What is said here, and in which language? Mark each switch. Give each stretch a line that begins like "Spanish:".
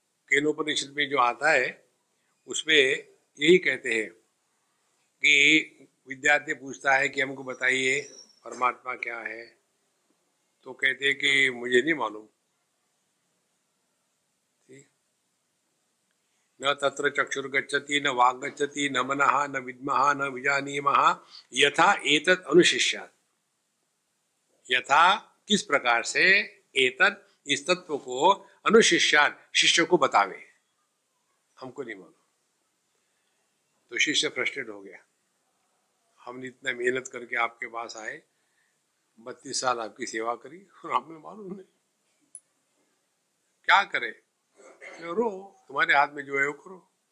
Hindi: केनोपनिषद में जो आता है उसमें यही कहते हैं कि विद्यार्थी पूछता है कि हमको बताइए परमात्मा क्या है, तो कहते हैं कि मुझे नहीं मालूम।
Sanskrit: न तत्र चक्षुर्गच्छति न वाग्गच्छति न मनः न विद्मः न विजानीमः यथा एतत् अनुशिष्यात्।
Hindi: यथा किस प्रकार से एतत् इस तत्व को अनुशिष्यात् शिष्य को बतावे, हमको नहीं मालूम। तो शिष्य फ्रस्ट्रेट हो गया, हमने इतना मेहनत करके आपके पास आए, 32 साल आपकी सेवा करी और हमें मालूम नहीं क्या करे, रो तुम्हारे हाथ में जो है वो करो।